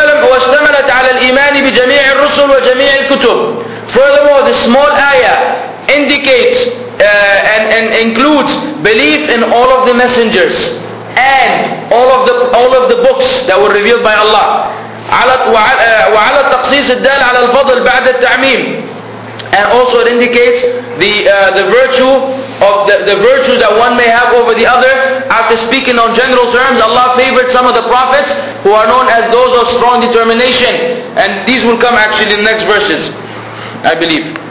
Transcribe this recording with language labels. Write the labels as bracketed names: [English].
[Arabic] واشتملت على الإيمان بجميع الرسل وجميع الكتب. [English] Furthermore, this small ayah indicates and includes belief in all of the messengers and all of the books that were revealed by Allah. [Arabic] وعلى التخصيص الدال على الفضل بعد التعميم. [English] And also it indicates the virtue that one may have over the other. After speaking on general terms, Allah favored some of the prophets who are known as those of strong determination. And these will come actually in the next verses, I believe.